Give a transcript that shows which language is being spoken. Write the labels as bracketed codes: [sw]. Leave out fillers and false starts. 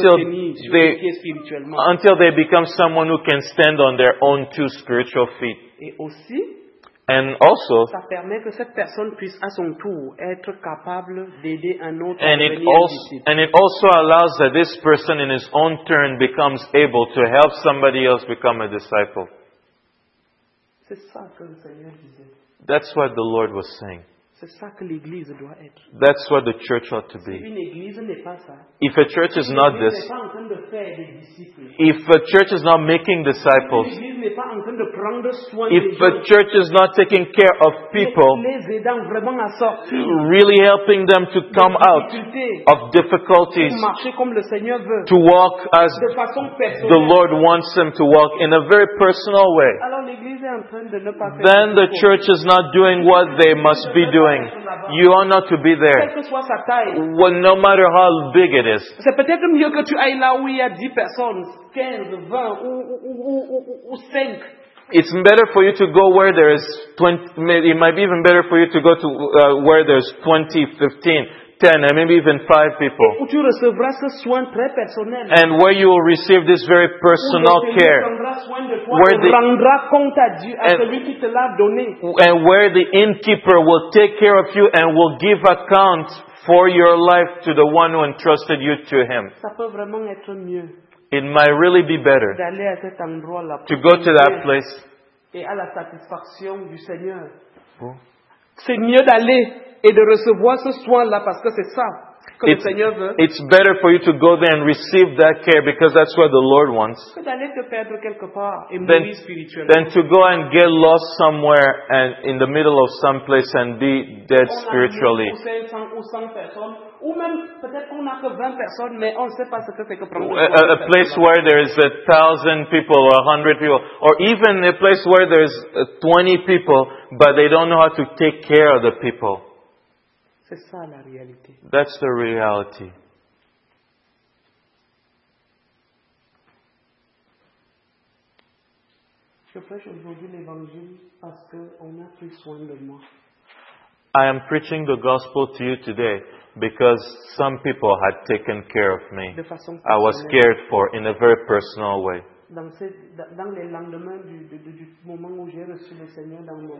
[en] Until they become someone who can stand on their own two spiritual feet. [fr] Et aussi, [en] and also, [fr] ça permet que cette personne puisse à son tour être capable d'aider un autre. [en] And it also allows that this person in his own turn becomes able to help somebody else become a disciple. [fr] C'est ça que le Seigneur disait. [en] That's what the Lord was saying. [fr] C'est ça que l'église doit être. [en] That's what the church ought to be. [fr] Si une église n'est pas ça, [en] if a church is not this, [fr] n'est pas en train de faire des disciples, [en] if a church is not making disciples, [fr] si l'église n'est pas en train de prendre soin [en] if [fr] des gens, [en] a church is not taking care of people, [fr] les aidant vraiment à sortir, [en] really helping them to come out of difficulties, [fr] de marcher comme le Seigneur veut, [en] to walk as [fr] de façon personnelle, [en] the Lord wants them to walk in a very personal way, [fr] alors l'église est en train de ne pas faire [en] then the church is not doing what they must be doing. Doing. You are not to be there. Well, no matter how big it is. [fr] C'est peut-être mieux que tu ailles là où il y a 10 personnes, 15, 20 ou 5. [en] It's better for you to go where there is 20. It might be even better for you to go to where there's 20, 15, 10, and maybe even 5 people. [fr] Où tu recevras ce soin très personnel. [en] And where you will receive this very personal care. Where the, [fr] rendra compte à Dieu, à celui qui te l'a donné. [en] And where the innkeeper will take care of you and will give account for your life to the one who entrusted you to him. [fr] Ça peut vraiment être mieux. [en] It might really be better to go to that place. [fr] Et à la satisfaction du Seigneur. C'est mieux d'aller et de recevoir ce soin-là parce que c'est ça que le Seigneur veut. [en] It's better for you to go there and receive that care because that's what the Lord wants. [fr] Que d'aller te perdre quelque part et mourir spirituellement. [en] Than to go and get lost somewhere and in the middle of some place and be dead spiritually. A place where there is 1,000 people or 100 people, or even a place where there is 20 people, but they don't know how to take care of the people. [fr] C'est ça la réalité. [en] That's the reality. [fr] Je prêche aujourd'hui l'évangile parce que on a pris soin de moi. [en] I am preaching the gospel to you today because some people had taken care of me. [fr] De façon [en] personnelle. I was cared for in a very personal way. [fr] Dans les lendemains du moment où j'ai reçu le Seigneur dans mon.